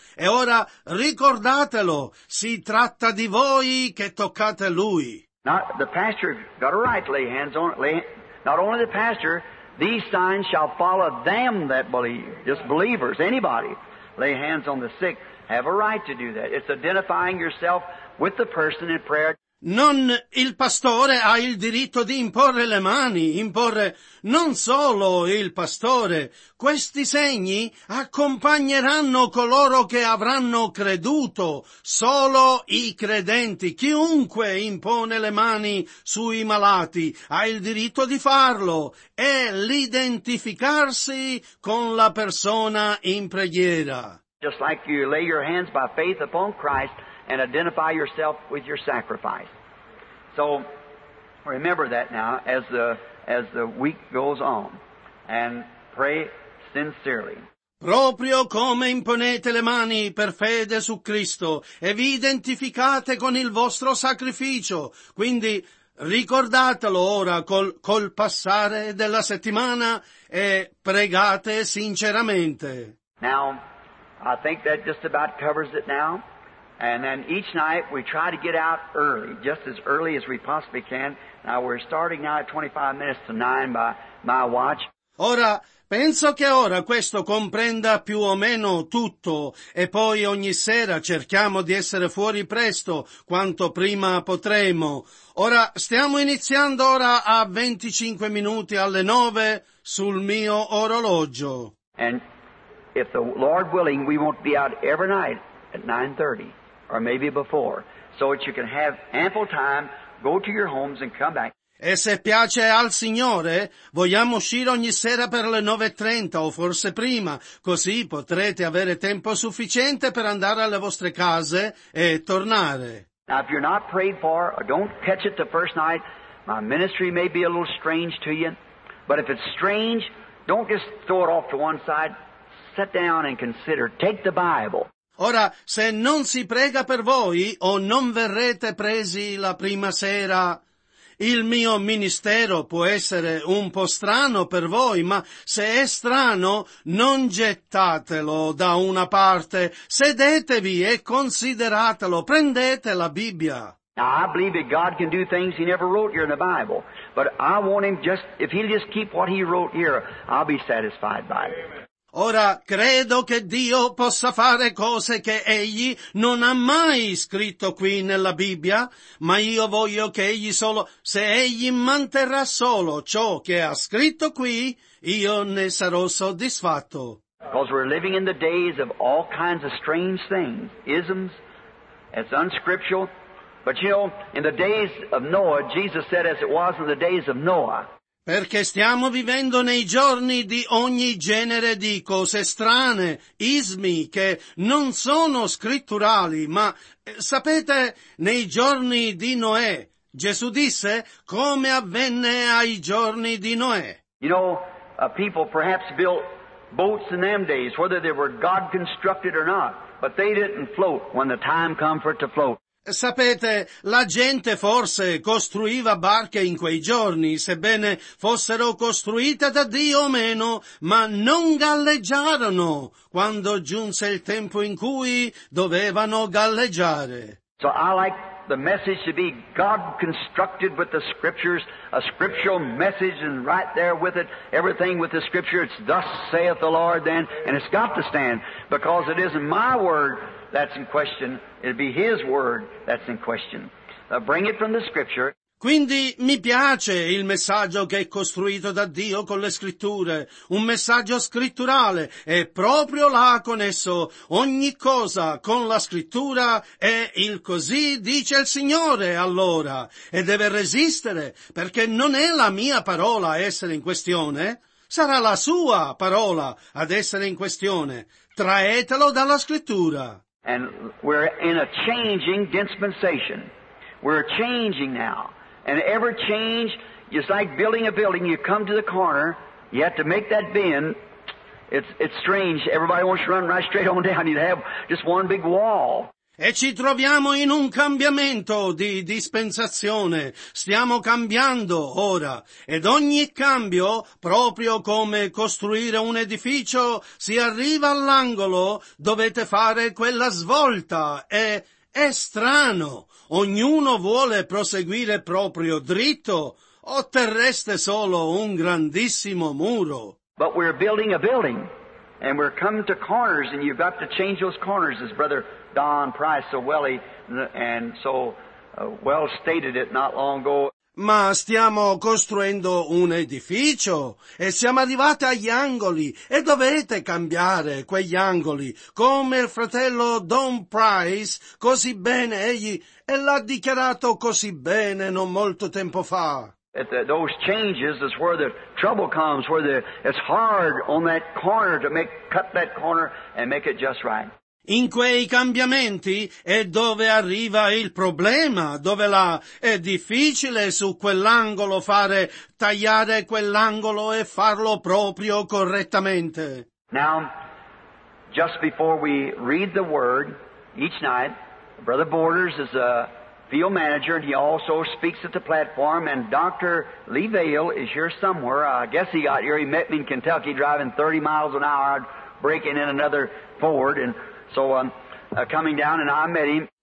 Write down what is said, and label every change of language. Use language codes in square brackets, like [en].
[it] E ora, ricordatelo, si tratta di voi che toccate Lui. [en] Not the pastor got a right to lay hands on, not only the pastor, these signs shall follow them that believe, just believers, anybody. Lay hands on the sick, have a right to do that. It's identifying yourself with the person in prayer. [it] Non il pastore ha il diritto di imporre le mani, imporre non solo il pastore. Questi segni accompagneranno coloro che avranno creduto, solo i credenti. Chiunque impone le mani sui malati ha il diritto di farlo e l'identificarsi con la persona in preghiera. [en] Just like you lay your hands by faith upon Christ and identify yourself with your sacrifice. So remember that now as the week goes on and pray sincerely. [it] Proprio come imponete le mani per fede su Cristo e vi identificate con il vostro sacrificio, quindi ricordatelo ora col passare della settimana e pregate sinceramente. [en] Now I think that just about covers it now. And then each night we try to get out early, just as early as we possibly can. Now we're starting now at 25 minutes to 9 by my watch. [it] Ora, penso che ora questo comprenda più o meno tutto, e poi ogni sera cerchiamo di essere fuori presto, quanto prima potremo. Ora, stiamo iniziando ora a 25 minuti alle 9 sul mio orologio. [en] And if the Lord willing, we won't be out every night at 9:30. Or maybe before, so that you can have ample time, go to your homes and come back. [it] E se piace al Signore, vogliamo uscire ogni sera per le 9:30 o forse prima, così potrete avere tempo sufficiente per andare alle vostre case e tornare. [en] Now if you're not prayed for or don't catch it the first night, my ministry may be a little strange to you, but if it's strange, don't just throw it off to one side, sit down and consider, take the Bible. [it] Ora, se non si prega per voi o non verrete presi la prima sera, il mio ministero può essere un po' strano per voi, ma se è strano, non gettatelo da una parte. Sedetevi e consideratelo. Prendete la Bibbia. [en] Now, I believe that God can do things He never wrote here in the Bible, but I want Him just, if He'll just keep what He wrote here, I'll be satisfied by it. [it] Ora credo che Dio possa fare cose che Egli non ha mai scritto qui nella Bibbia, ma io voglio che Egli solo, se Egli manterrà solo ciò che ha scritto qui, io ne sarò soddisfatto. [en] Because we're living in the days of all kinds of strange things, isms, it's unscriptural. But you know, in the days of Noah, Jesus said as it was in the days of Noah. [it] Perché stiamo vivendo nei giorni di ogni genere di cose strane, ismi, che non sono scritturali, ma sapete, nei giorni di Noè, Gesù disse come avvenne ai giorni di Noè. [en] You know, people perhaps built boats in them days, whether they were God constructed or not, but they didn't float when the time came for it to float. [it] Sapete, la gente forse costruiva barche in quei giorni, sebbene fossero costruite da Dio o meno, ma non galleggiarono quando giunse il tempo in cui dovevano galleggiare. [en] So I like the message to be God constructed with the scriptures, a scriptural message, and right there with it, everything with the scripture, it's thus saith the Lord then, and it's got to stand, because it isn't my word that's in question, it'd be His word that's in question. Bring it from the scripture. [it] Quindi mi piace il messaggio che è costruito da Dio con le scritture, un messaggio scritturale, e proprio là con esso ogni cosa con la scrittura è il così dice il Signore allora, e deve resistere, perché non è la mia parola a essere in questione, sarà la sua parola ad essere in questione. Traetelo dalla scrittura. [en] And we're in a changing dispensation. We're changing now. And every change is like building a building. You come to the corner, you have to make that bend. It's strange. Everybody wants to run right straight on down. You'd have just one big wall. [it] E ci troviamo in un cambiamento di dispensazione. Stiamo cambiando ora. Ed ogni cambio, proprio come costruire un edificio, si arriva all'angolo, dovete fare quella svolta. È strano. Ognuno vuole proseguire proprio dritto, otterreste solo un grandissimo muro. [en] But we're building a building, and we're coming to corners, and you've got to change those corners, as Brother Don Price so well and so well stated it not long ago. [it] Ma stiamo costruendo un edificio e siamo arrivati agli angoli e dovete cambiare quegli angoli, come il fratello Don Price così bene egli e l'ha dichiarato così bene non molto tempo fa. [en] Those changes is where the trouble comes, where it's hard on that corner to cut that corner and make it just right. [it] In quei cambiamenti è dove arriva il problema, dove là è difficile su quell'angolo fare, tagliare quell'angolo e farlo proprio correttamente. [en] Now, just before we read the word, each night, Brother Borders is a field manager, and he also speaks at the platform, and Dr. Lee Vail is here somewhere. I guess he got here, he met me in Kentucky driving 30 miles an hour, breaking in another Ford, and so coming down and I met him.